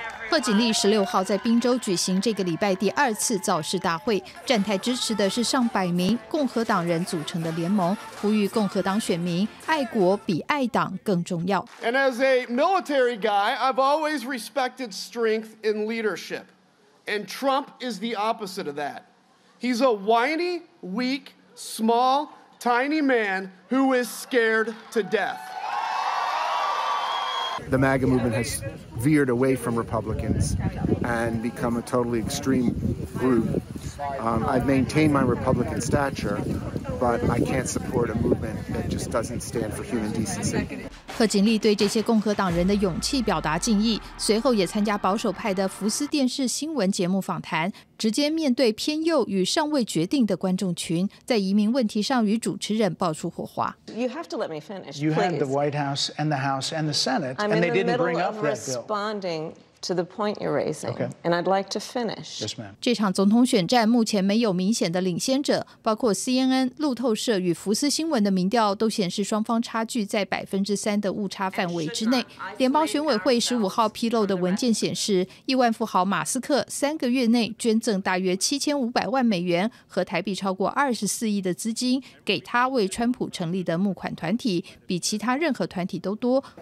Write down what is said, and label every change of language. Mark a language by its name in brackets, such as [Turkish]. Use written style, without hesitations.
[Chinese] 贺锦丽16号在宾州举行这个礼拜第二次造势大会，站台支持的是上百名共和党人组成的联盟，呼吁共和党选民爱国比爱党更重要。 [English] And as a military guy, I've always respected strength in leadership. And Trump is the opposite of that. He's a whiny, weak, small, tiny man who is scared to death. The MAGA movement has veered away from Republicans and become a totally extreme group. I've maintained my Republican stature, but I can't support a movement that just doesn't stand for human decency. [Chinese] 贺锦丽对这些共和党人的勇气表达敬意，随后也参加保守派的福斯电视新闻节目访谈，直接面对偏右与尚未决定的观众群，在移民问题上与主持人爆出火花。 [English] You have to let me finish. You had the White House and the House and the Senate, and they didn't bring up that bill. I'm in the middle of responding. To the point you're raising, and I'd like to finish. Yes, ma'am. [Chinese] 这场总统选战目前没有明显的领先者，包括 CNN、路透社与福斯新闻的民调都显示双方差距在3%的误差范围之内。联邦选委会15号披露的文件显示，亿万富豪马斯克三个月内捐赠大约7500万美元（和台币超过24亿）的资金给他为川普成立的募款团体，比其他任何团体都多。